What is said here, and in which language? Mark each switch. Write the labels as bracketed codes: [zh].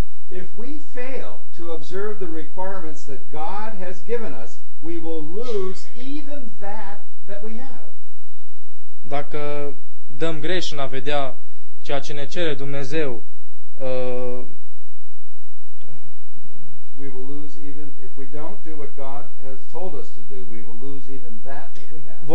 [en] If we fail to observe the requirements that God has given us, we will lose even that we have. [ro] Dacă dăm greș în a vedea ceea ce ne cere Dumnezeu. [en] We will lose even if we don't do what God has told us to do, we will lose even that that we have.